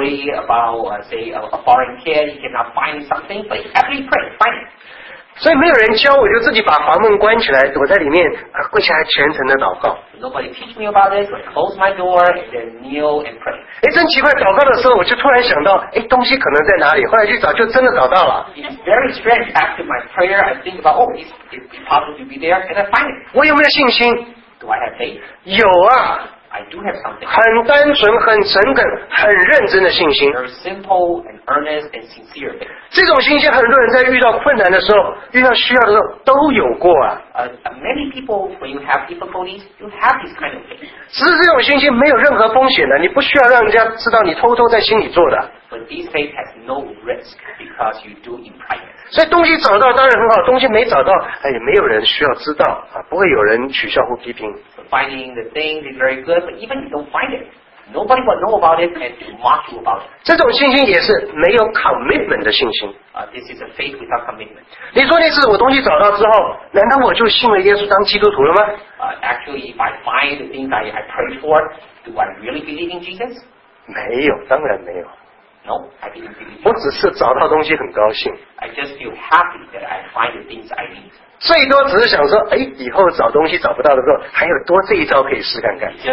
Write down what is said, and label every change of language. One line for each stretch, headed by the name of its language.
English: A story about a foreign kid, he cannot find something, but he actually prayed, find it.
Chinese: 所以没有人教我，就自己把房门关起来，躲在里面，跪下来虔诚的祷告。
English: Nobody teach me about this, but close my door and then kneel and pray.
Chinese: 真奇怪，祷告的时候我就突然想到，东西可能在哪里，后来去找，就真的找到了。
English: It's very strange. After my prayer, I think about, oh, it's possible to be there, and I find it.
Chinese: 我有没有信心？
English: Do I have faith?
Chinese: 有啊。
English: I do have something.
Chinese: 很单纯、很诚恳、很认真的信心。
English: Very simple and earnest and sincere.
Chinese: 这种信心很多人在遇到困难的时候、遇到需要的时候都有过啊。
English: Many people, when you have difficulties, you have this kind of faith.
Chinese: 只是这种信心没有任何风险的，你不需要让人家知道你偷偷在心里做的。
English: But this faith has no risk because you do in private.
Chinese: 所以东西找到当然很好，东西没找到，哎，没有人需要知道啊，不会有人取笑或批评。
English: Finding the thing is very good, but even if you don't find it, nobody will know about it and to mock you about it.
Chinese: 这种信心也是没有 commitment 的信心。
English: This is a faith without commitment.
Chinese: 你说那次我东西找到之后，难道我就信了耶稣当基督徒了吗？
English: Actually, if I find the thing that I prayed for, do I really believe in Jesus?
Chinese: 没有，当然没有。
English: No, I didn't believe in
Chinese: 我只是找到东西很高兴。
English: I just feel happy that I find the things I need.
Chinese: 最多只是想说，哎，以后找东西找不到的时候，还有多这一招可以试看看。